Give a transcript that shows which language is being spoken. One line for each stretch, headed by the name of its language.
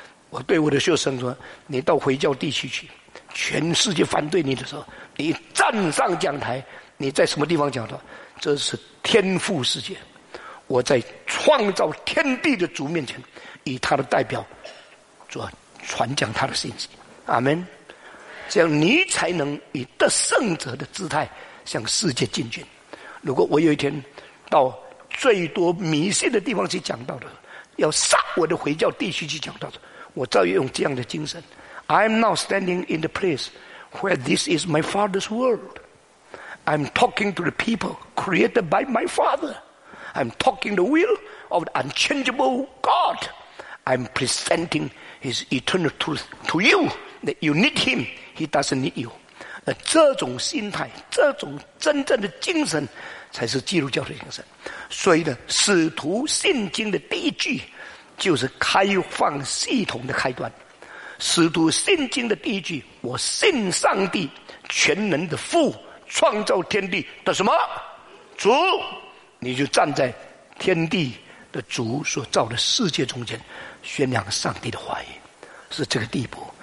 Chinese: 我对我的学生说，你到回教地区去，全世界反对你的时候，你站上讲台，你在什么地方讲道，这是天父世界，我在创造天地的主面前，以他的代表做传讲他的信息。阿们。这样你才能以得胜者的姿态向世界进军。如果我有一天到最多迷信的地方去讲道的，要杀我的回教地区去讲道的，我照样用这样的精神。
English: I'm now standing in the place where this is my father's world. I'm talking to the people created by my father. I'm talking the will of the unchangeable God. I'm presenting his eternal truth to you that you need him, he doesn't need you.
Chinese: 这种心态，这种真正的精神才是基督教的精神。所以呢，使徒信经的第一句就是开放系统的开端。使徒信经的第一句，我信上帝全能的父创造天地的什么主，你就站在天地的主所造的世界中间宣扬上帝的话语，是这个地步。